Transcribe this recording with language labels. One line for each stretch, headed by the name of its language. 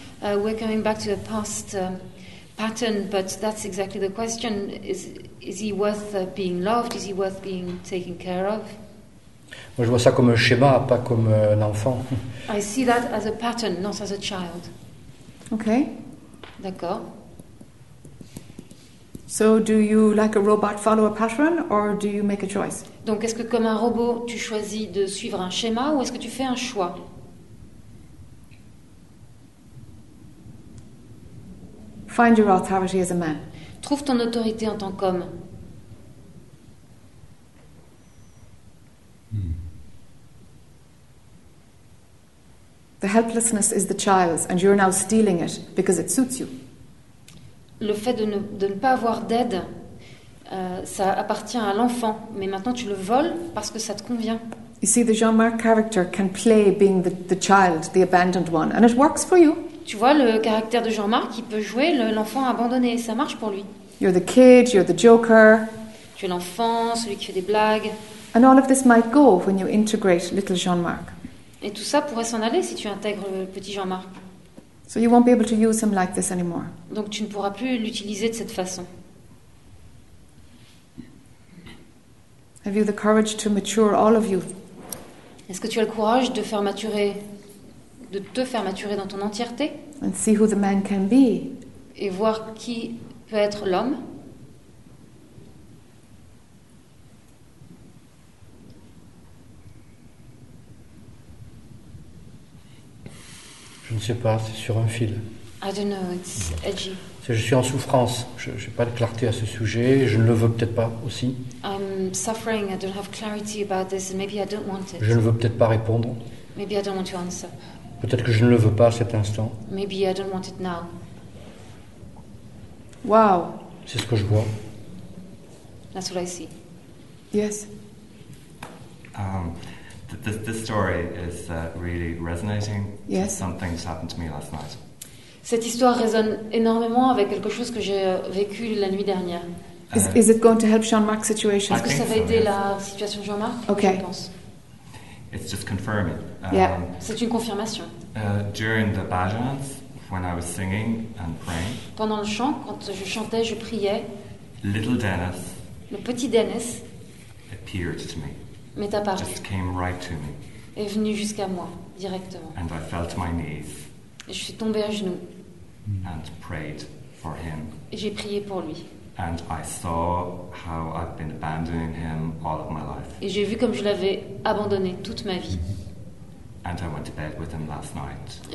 English: We're coming back to a past pattern, but that's exactly the question. Is he worth being loved? Is he worth being taken care of?
French: Moi, je vois ça comme un schéma, pas comme un enfant.
English: I see that as a pattern, not as a child. Okay.
French: D'accord.
English: So, do you, like a robot, follow a pattern, or do you make a choice?
French: Donc, est-ce que comme un robot, tu choisis de suivre un schéma, ou est-ce que tu fais un choix?
English: Find your authority as a man.
French: Trouve ton autorité en tant qu'homme.
English: The helplessness is the child's, and you're now stealing it because it suits you.
French: Le fait de ne pas avoir d'aide, ça appartient à l'enfant, mais maintenant tu le voles parce que ça te convient.
English: You see, the Jean-Marc character can play being the child, the abandoned one, and it works for you.
French: Tu vois le caractère de Jean-Marc, il peut jouer l'enfant abandonné, ça marche pour lui.
English: You're the kid, you're the joker.
French: Tu es l'enfant, celui qui fait des blagues.
English: And all of this might go when you integrate little Jean-Marc.
French: Et tout ça pourrait s'en aller si tu intègres le petit Jean-Marc.
English: So you won't be able to use him like this anymore.
French: Donc tu ne pourras plus l'utiliser de cette façon.
English: Have you the courage to mature all of you?
French: Est-ce que tu as le courage de faire maturer, de te faire maturer dans ton entièreté?
English: And see who the man can be.
French: Et voir qui peut être l'homme. Je ne sais pas, c'est sur un fil.
English: I don't know, it's edgy.
French: Je suis en souffrance, je n'ai pas de clarté à ce sujet, je ne le veux peut-être pas aussi.
English: I'm suffering, I don't have clarity about this, and maybe I don't want it.
French: Je ne veux peut-être pas répondre.
English: Maybe I don't want to answer.
French: Peut-être que je ne le veux pas à cet instant.
English: Maybe I don't want it now. Wow.
French: C'est ce que je vois.
English: That's what I see. Yes. This story is really resonating. Yes. Something happened to me last night.
French: Cette histoire résonne énormément avec quelque chose que j'ai vécu la nuit dernière.
English: Is it going to help Jean-Marc's situation?
French: Est-ce que ça va aider la situation de Jean-Marc?
English: Okay. It's just confirming. Yeah.
French: C'est une confirmation.
English: During the bhajans, when I was singing and praying.
French: Pendant le chant, quand je chantais, je priais.
English: Little Dennis.
French: Le petit Dennis.
English: Appeared to me.
French: M'est apparu.
English: Just came right to me.
French: Est venu jusqu'à moi directement.
English: And I fell to my knees.
French: Et je suis tombé à genoux.
English: And prayed for him.
French: Et j'ai prié pour lui.
English: And I saw how I've been abandoning him all of my life.
French: Et j'ai vu comme je l'avais abandonné toute ma vie.
English: And I went to bed with him last night.